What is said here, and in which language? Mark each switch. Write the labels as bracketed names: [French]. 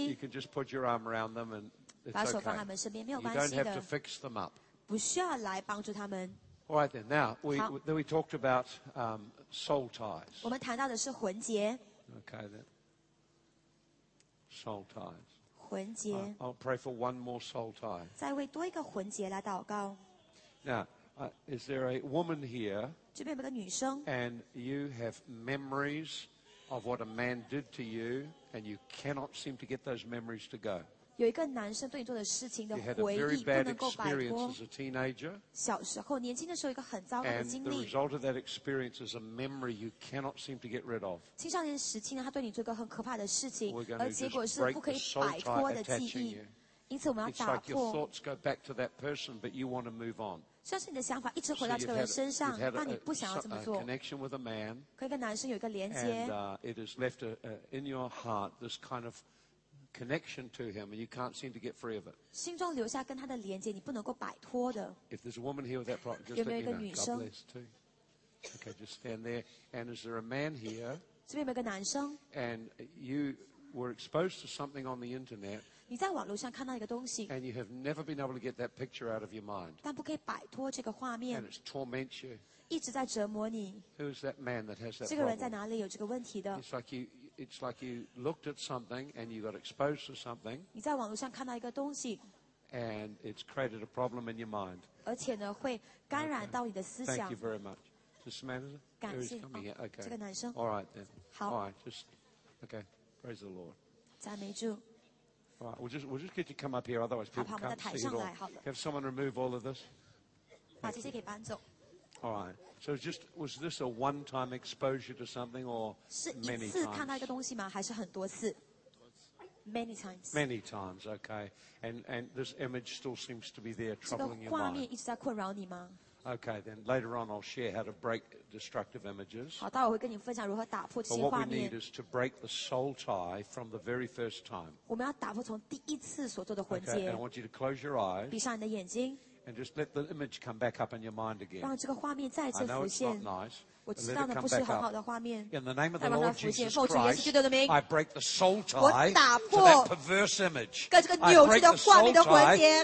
[English] Then you can just put your arm around them and it's okay. [Chinese] 把手放他们身边没有关系的。 [English] You don't have to fix them up. [Chinese] 不需要来帮助他们。 [English] All right then. Now we talked about soul ties. [Chinese] 我们谈到的是魂结。 [English] Okay then. Soul ties. [Chinese] 魂结。 [English] I'll pray for one more soul tie. [Chinese] 再为多一个魂结来祷告。 [English] Now, is there a woman here? [Chinese] 这边有一个女生。 [English] And you have memories of what a man did to you, and you cannot seem to get those memories to go. [Chinese] 有一个男生对你做的事情的回忆不能够摆脱。 [English] As a teenager, [Chinese] 小时候年轻的时候一个很糟糕的经历。 [English] And the result of that experience is a memory you cannot seem to get rid of. [Chinese] 青少年时期呢，他对你做一个很可怕的事情，而结果是不可以摆脱的记忆。因此我们要打破。 [English] It's like your thoughts go back to that person, but you want to move on. [Chinese] 像是你的想法一直回到这个人身上，但你不想要这么做。 [English] A connection with a man, [Chinese] 和一个男生有一个连接。 [English] And it has left in your heart this kind of. Connection to him, and you can't seem to get free of it. [Chinese] 心中留下跟他的连接，你不能够摆脱的。 [English] If there's a woman here with that problem, just let me know. God bless too. Okay, just stand there. And is there a man here? [Chinese] 这边有一个男生。 [English] And you were exposed to something on the internet. [Chinese] 你在网络上看到一个东西。 [English] And you have never been able to get that picture out of your mind. [Chinese] 但不可以摆脱这个画面。 [English] And it's torment you. [Chinese] 一直在折磨你。 [English] Who is that man that has that problem? [Chinese] 这个人在哪里有这个问题的？ [English] It's like you. It's like you looked at something and you got exposed to something. [Chinese] 你在网络上看到一个东西 [English] and it's created a problem in your mind. [Chinese] 而且呢，会干染到你的思想。 [English] Thank you very much, Miss Amanda. [Chinese] 感谢。 [English] Who's coming here? Okay. [Chinese] 这个男生。 [English] All right then. [Chinese] 好。 [English] All right, just okay. Praise the Lord. [Chinese] 赞美主。 [English] All right, we'll just get you come up here, otherwise people can't see it all. [Chinese] 好，把我们的台上来，好了。 [English] Have someone remove all of this. [Chinese] 把这些给搬走。 [English] All right. So just, was this a one-time exposure to something or many times? [Chinese] 是一次看到一个东西吗？还是很多次？ [English] Many times. Many times, okay. And this image still seems to be there troubling your mind. [Chinese] 这个画面一直在困扰你吗？ [English] Okay, then later on I'll share how to break destructive images. [Chinese] 好，待会会跟你分享如何打破这些画面。 [English] But what we need is to break the soul tie from the very first time. [Chinese] 我们要打破从第一次所做的魂结。 [English] Okay, and I want you to close your eyes. [Chinese] 闭上你的眼睛。 [English] And just let the image come back up in your mind again. [Chinese] 让这个画面再次浮现。 [English] I know it's not nice. [Chinese] 我知道呢，不是很好的画面。 [English] In the name of the Lord Jesus Christ, I break the soul tie. [Chinese] 我打破 [English] to that perverse image. [Chinese] 跟这个扭曲的画面的魂结。